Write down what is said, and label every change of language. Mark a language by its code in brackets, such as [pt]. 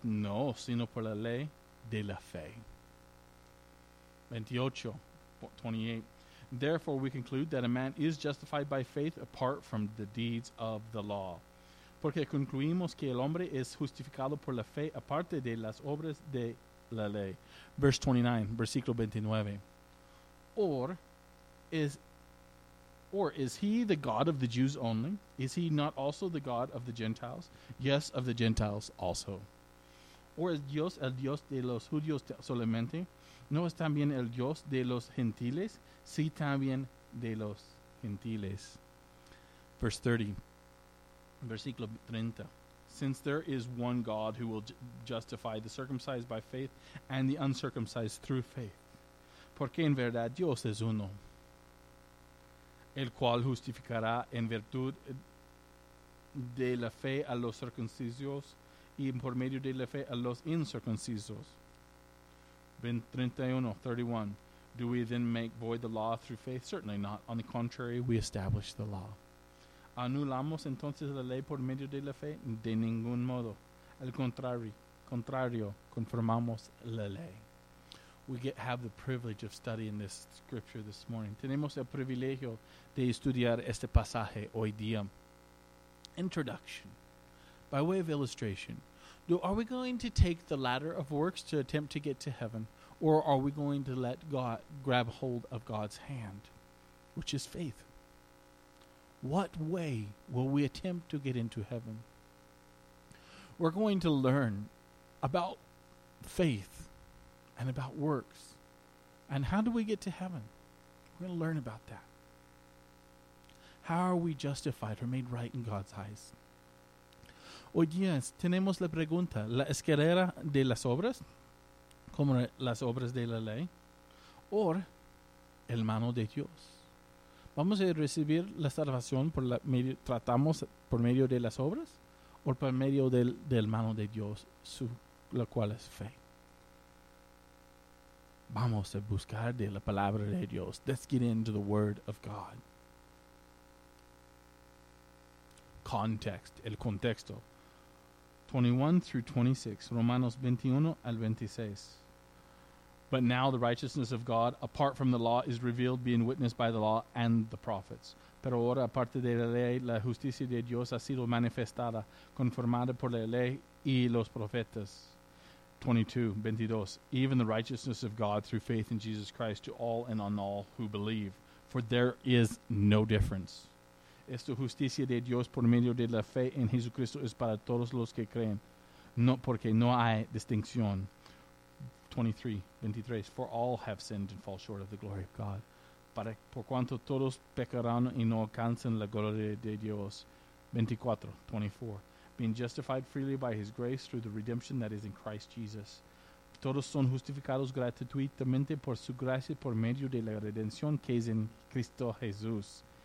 [es] No, sino por la ley de la fe. 28:28. [en] Therefore, we conclude that a man is justified by faith apart from the deeds of the law. [es] Porque concluimos que el hombre es justificado por la fe aparte de las obras de la ley. [en] Verse 29, [es] versículo 29. [en] Or is he the God of the Jews only? Is he not also the God of the Gentiles? Yes, of the Gentiles also. Or is [es] Dios el Dios de los judíos solamente? ¿No es también el Dios de los gentiles? Sí, también de los gentiles. [en] Verse 30, [es] versículo 30. [en] Since there is one God who will justify the circumcised by faith and the uncircumcised through faith. [es] Porque en verdad Dios es uno. El cual justificará en virtud de la fe a los circuncisos y por medio de la fe a los incircuncisos. 31. [en] Do we then make void the law through faith? Certainly not. On the contrary, we establish the law. [es] ¿Anulamos entonces la ley por medio de la fe? De ningún modo. Al contrario, confirmamos la ley. [en] We have the privilege of studying this scripture this morning. [es] Tenemos el privilegio de estudiar este pasaje hoy día. [en] Introduction. By way of illustration, Are we going to take the ladder of works to attempt to get to heaven? Or are we going to let God grab hold of God's hand, which is faith? What way will we attempt to get into heaven? We're going to learn about faith and about works. And how do we get to heaven? We're going to learn about that. How are we justified or made right in God's eyes? [es] Hoy día tenemos la pregunta, ¿la escalera de las obras, como las obras de la ley, o el mano de Dios? ¿Vamos a recibir la salvación por la medio, tratamos por medio de las obras o por medio del mano de Dios, la cual es fe? Vamos a buscar de la palabra de Dios. [en] Let's get into the word of God. Context, [es] el contexto. [en] 21 through 26, [es] Romanos 21 al 26. [en] But now the righteousness of God, apart from the law, is revealed, being witnessed by the law and the prophets. [es] Pero ahora, aparte de la ley, la justicia de Dios ha sido manifestada, conformada por la ley y los profetas. [en] 22, even the righteousness of God through faith in Jesus Christ to all and on all who believe, for there is no difference. [es] Esta justicia de Dios por medio de la fe en Jesucristo es para todos los que creen, no porque no hay distinción. [en] 23, for all have sinned and fall short of the glory of God. [es] Para por cuanto todos pecarán y no alcanzan la gloria de Dios. [en] 24, being justified freely by his grace through the redemption that is in Christ Jesus. [es] Todos son justificados gratuitamente por su gracia por medio de la redención que es en Cristo Jesús.